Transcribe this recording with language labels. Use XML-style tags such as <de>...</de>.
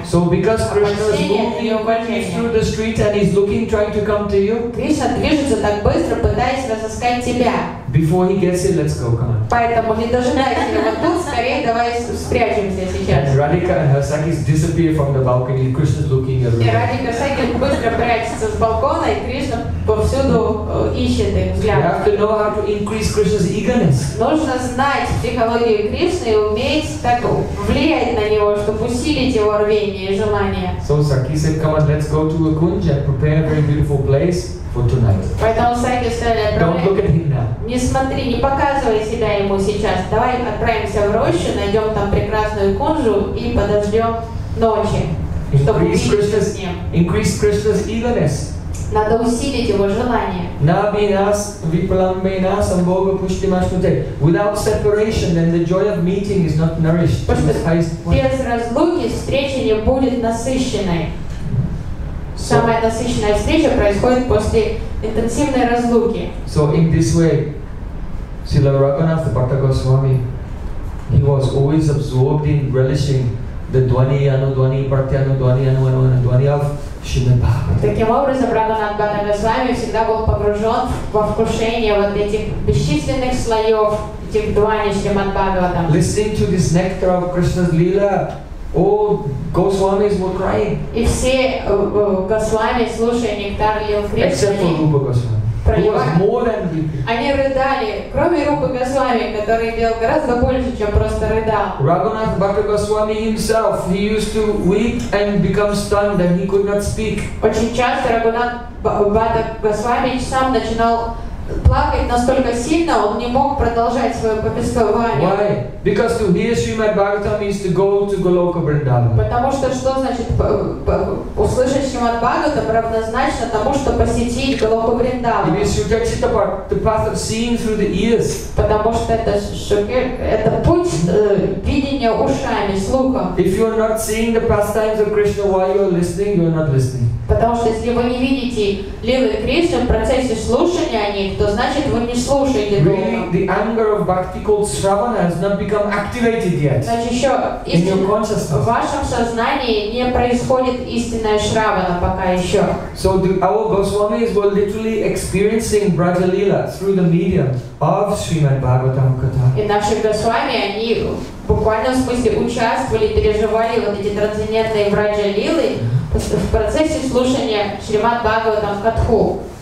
<en>So because Krishna is moving through the street and he's looking, trying to come to you.</en> <ru>Кришна движется так быстро, пытаясь разыскать тебя.</ru> <en>Before he gets it, let's go, come on.</en> <ru>Поэтому не дожидайся его тут, скорее давай спрячемся сейчас.</ru> <en>And Radhika and her sakis disappear from the balcony, Krishna's looking at them.</en> <ru>Radhika sakis быстро прячется с балкона, и Кришна повсюду ищет их взгляд.</ru> <en>You have to know how to increase Krishna's eagerness.</en> <ru>Нужно знать психологию Кришны и уметь так влиять на него, чтобы усилить его рвение и желание.</ru> <en>So Sakhi said, come on, let's go to a kunj and prepare a very beautiful place. For tonight. Don't look at him now.</en> <ru>Не смотри, не показывай себя ему сейчас. Давай отправимся в рощу, найдем там прекрасную кунжу и подождем ночи, чтобы увидеться с ним.</ru> <en>Increase Krishna's eagerness.</en> <ru>Надо усилить его желание.</ru> <sa>Nabi nas vipalambe nas amboga pushti mashmute.</sa> <en>Without separation, then the joy of meeting is not nourished.</en> <ru>Без разлуки встреча не будет насыщенной. Самая насыщенная встреча происходит после интенсивной разлуки.</ru> <en>So in this way, Srila Raghunath Bhatta Goswami, he was always absorbed in relishing the dvani, anudvani, pratyanudvani, anudvani of Srimad Bhagavatam.</en> <ru>Таким образом, Раганат Бхатта Госвами всегда был погружен во вкушение вот этих бесчисленных слоев, этих двани Шримад Бхагаватам.</ru> <en>Listening to this nectar of Krishna's Leela, all Goswamis were crying.</en> <ru>И все Госвами, слушая нектар лил Кришны.</ru> <en>Except for Rupa Goswami.</en> <ru>Они рыдали, кроме Рупы Госвами, который делал гораздо больше, чем просто рыдал.</ru> <en>Raghunath Bhatta Goswami himself, he used to weep and become stunned and he could not speak.</en> <ru>Очень часто Raghunath Bhatta Goswami сам начинал плакать настолько сильно, он не мог продолжать свое повествование.</ru> <en>Why? Because to hear Srimad Bhagavatam is to go to Goloka Vrindavan.</en> <ru>Потому что что значит услышать Srimad Bhagavatam равнозначно тому, что посетить Голоку Вриндаван.</ru> <en>It is to touch the path of seeing through the ears.</en> <ru>Потому что это путь видения ушами, слухом.</ru> <en>If you are not seeing the pastimes of Krishna while you are listening, you are not listening.</en> <ru>Потому что если вы не видите лилы Кришны в процессе слушания о них, то значит вы не слушаете Духа.</ru> <en>Really, the anger of bhakti called Shravana has not become activated yet.</en> <ru>Значит, еще</ru> <en>in your consciousness.</en> <ru>В вашем сознании не происходит истинная Шравана пока еще.</ru> <en>So our Goswamis were literally experiencing Braja Lila through the medium of Srimad Bhagavatam Katha.</en> <ru>И наши Госвами, они буквально в смысле участвовали, переживали вот эти трансцендентные Браджа Лилы в процессе слушания Шримад Бхагаватам Катху.</ru>